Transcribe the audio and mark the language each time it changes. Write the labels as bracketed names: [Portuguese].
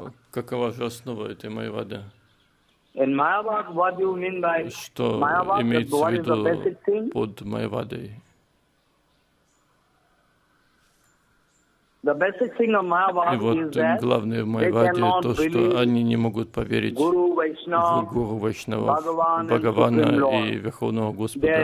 [Russian] Какова же основа этой майявады? [English] In Mayavad, what do you mean by [Russian] что имеется в виду под майявадой? И вот главное в Майваде то, что они не могут поверить в Гуру Вайшнава, Бхагавана и Верховного Господа.